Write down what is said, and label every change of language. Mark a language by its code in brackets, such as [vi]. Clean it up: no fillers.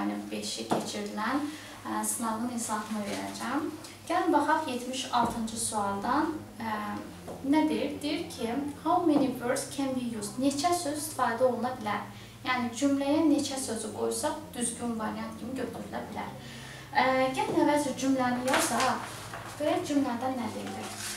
[az] 5-i keçirilən sınavın hesabını verəcəm. Gəlin baxaq 76-cı sualdan. Nədir? Deyir ki, [en] how many words can be used? [az] Neçə söz istifadə oluna bilər? Yəni, cümləyə neçə sözü qoysaq, düzgün variant kimi götürülə bilər. Gəlin əvvəlcə cümləni yazaq. Görək cümlədən nə deyilir?